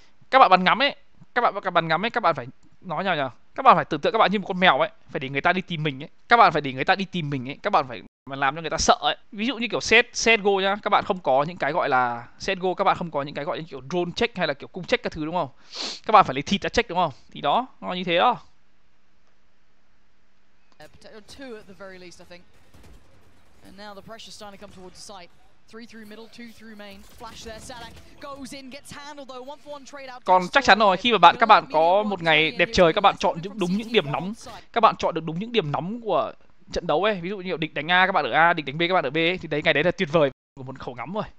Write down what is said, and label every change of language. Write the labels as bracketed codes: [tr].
[vi] Các bạn bắn ngắm ấy, các bạn phải nói nhau nhờ, các bạn phải tưởng tượng các bạn như một con mèo ấy, phải để người ta đi tìm mình ấy, các bạn phải để người ta đi tìm mình ấy, các bạn phải làm cho người ta sợ ấy. Ví dụ như kiểu CSGO nhá, các bạn không có những cái gọi là CSGO, các bạn không có những cái gọi như kiểu drone check hay là kiểu cung check các thứ, đúng không? Các bạn phải lấy thịt ra check, đúng không? Thì đó, nó như thế đó. [en] And now the pressure starting to come towards the site. 3 through middle, 2 through main. Flash there, Sadak goes in, gets handled though. 1-for-1 trade out. [vi] Còn chắc chắn rồi, khi mà các bạn có một ngày đẹp trời, các bạn chọn được đúng những điểm nóng. Các bạn chọn được đúng những điểm nóng của trận đấu ấy, ví dụ như địch đánh A các bạn ở A, địch đánh B các bạn ở B ấy, thì đấy, ngày đấy là tuyệt vời của một khẩu ngắm rồi.